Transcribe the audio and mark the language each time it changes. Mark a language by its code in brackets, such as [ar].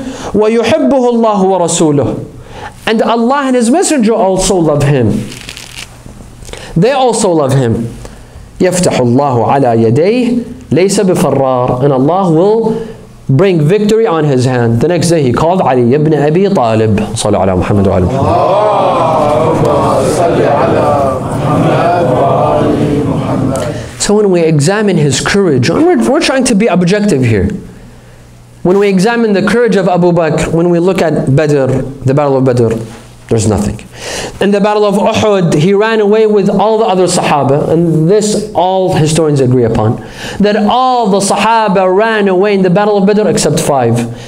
[ar] وَيُحِبُّهُ اللَّهُ وَرَسُولُهُ, [en] and Allah and His Messenger also love him. They also love him. [ar] يَفْتَحُ اللَّهُ عَلَى يَدَيْهِ لَيْسَ بِفَرَّارٍ, [en] and Allah will bring victory on His hand. The next day he called Ali ibn Abi Talib. [ar] صلى على محمد وعلى محمد. اللهم صل على محمد وعلى محمد. [en] So when we examine his courage, and we're trying to be objective here. When we examine the courage of Abu Bakr, when we look at Badr, the Battle of Badr, there's nothing. In the Battle of Uhud, he ran away with all the other Sahaba, and this all historians agree upon, that all the Sahaba ran away in the Battle of Badr except five.